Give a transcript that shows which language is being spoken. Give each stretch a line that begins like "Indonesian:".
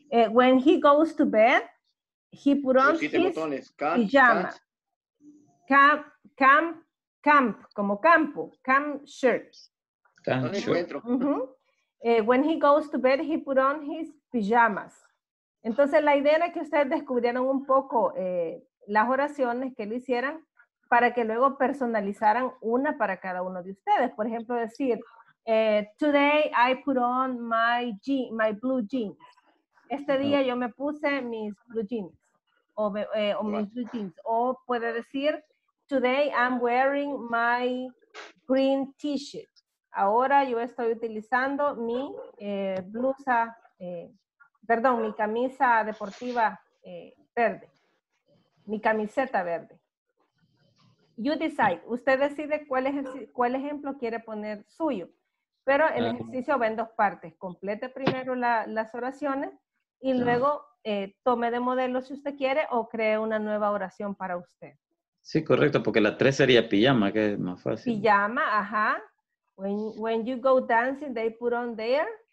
English: When he goes to bed, he put on his pajama.
Spanish: Camp, como campo. Camp shirt.
English: When he goes to bed, he put on his pajamas.
Spanish: Entonces, la idea era que ustedes descubrieran un poco las oraciones que le hicieran para que luego personalizaran una para cada uno de ustedes. Por ejemplo, decir,
English: today I put on my blue jeans.
Spanish: Este día yo me puse mis blue jeans. O mis blue jeans. O puede decir,
English: today I'm wearing my green t-shirt.
Spanish: Ahora yo estoy utilizando mi blusa, perdón, mi camisa deportiva verde. Mi camiseta verde.
English: You decide.
Spanish: Usted decide cuál ejemplo quiere poner suyo. Pero el ejercicio va en dos partes. Complete primero las oraciones y luego tome de modelo si usted quiere o cree una nueva oración para usted. Sí, correcto, porque la 3 sería pijama, que es más fácil. Pijama, ajá.
English: When you go dancing, they put on their...